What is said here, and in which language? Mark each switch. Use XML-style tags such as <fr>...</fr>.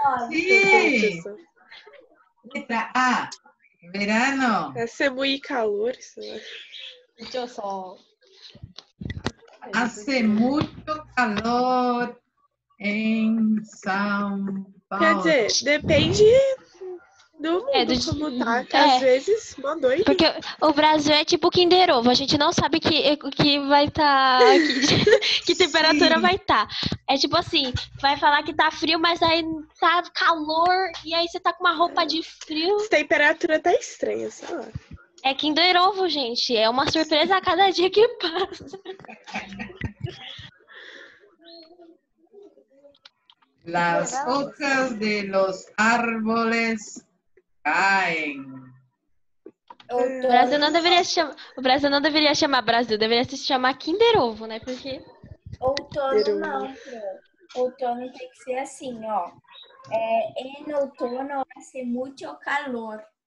<es>Sí. Letra A. Verano. Hace muy calor. Mucho sol. Hace mucho calor en São Paulo.</es> <pt>Quer dizer, depende... Do mundo, como tá, que às vezes mandou aí. Porque o Brasil é tipo Kinder Ovo, a gente não sabe que vai tá, que temperatura vai tá. É tipo assim, vai falar que tá frio, mas aí tá calor, e aí você tá com uma roupa de frio. A temperatura tá estranha, sei lá. É Kinder Ovo, gente, é uma surpresa a cada dia que passa.</pt> <es>Las hojas de los árboles...</es> <pt>caem. O Brasil não deveria se chamar, Brasil, deveria se chamar Kinder Ovo, né? Porque outono não. Outono tem que ser assim, ó. Em outono</pt> <es>hace</es> <pt>muito calor.</pt>